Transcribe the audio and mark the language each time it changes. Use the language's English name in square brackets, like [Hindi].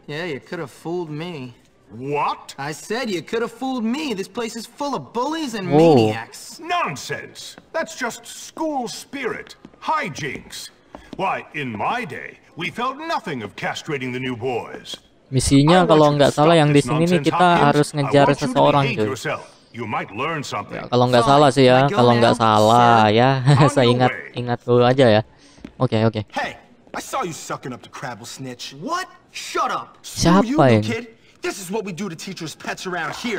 [English] Yeah, you could have fooled me. What? I said you could have fooled me. This place is full of bullies and maniacs. Nonsense. That's just school spirit. Hijinks. Why, in my day, we felt nothing of castrating the new boys. [Indonesian] Misinya kalau nggak salah yang di sini nih kita harus ngejar seseorang gitu. [English] You might learn something. [Indonesian] Ya, kalau nggak salah sih ya, kalau nggak salah ya, saya ingat dulu aja ya. Oke. [English] Hey, I saw you sucking up to Crabble Snitch. What? Shut up. [Indonesian] Siapa ini? [English] This is what we do to teachers' pets around here.